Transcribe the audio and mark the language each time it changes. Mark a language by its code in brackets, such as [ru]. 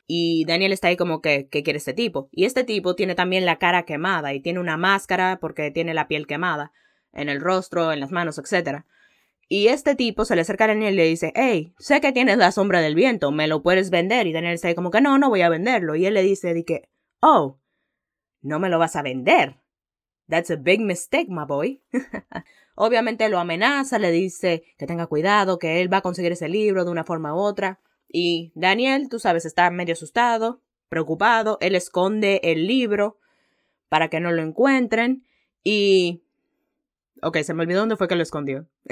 [es] Y Daniel está ahí como que, ¿qué quiere este tipo? Y este tipo tiene también la cara quemada y tiene una máscara porque tiene la piel quemada en el rostro, en las manos, etc. Y este tipo se le acerca a Daniel y le dice, hey, sé que tienes la sombra del viento, ¿me lo puedes vender? Y Daniel está ahí como que no voy a venderlo. Y él le dice, oh, no me lo vas a vender. [en] That's a big mistake, my boy. [es] Obviamente lo amenaza, le dice que tenga cuidado, que él va a conseguir ese libro de una forma u otra. Y Daniel, tú sabes, está medio asustado, preocupado. Él esconde el libro para que no lo encuentren. Y, ok, se me olvidó dónde fue que lo escondió.